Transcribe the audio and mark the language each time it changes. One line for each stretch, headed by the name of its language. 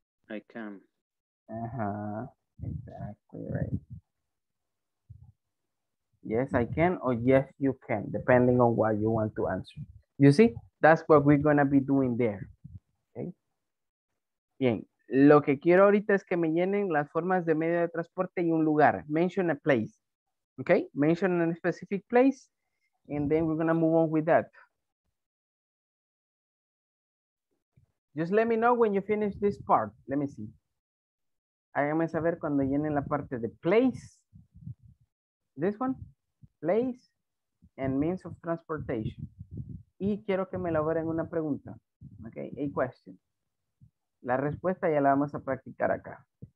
English: I can. Uh-huh. Exactly right. Yes, I can, or yes, you can, depending on what you want to answer. You see, that's what we're going to be doing there. Okay.
Spanish: Bien, lo que quiero ahorita es que me llenen las formas de medio de transporte y un lugar.
English: Mention a place. Okay, mention a specific place, and then we're going to move on with that. Just let me know when you finish this part. Let me see.
Spanish: Háganme saber cuando llenen la parte de place.
English: This one. Place and means of transportation.
Spanish: Y quiero que me elaboren una pregunta. Okay,
English: a question.
Spanish: La respuesta ya la vamos a practicar acá.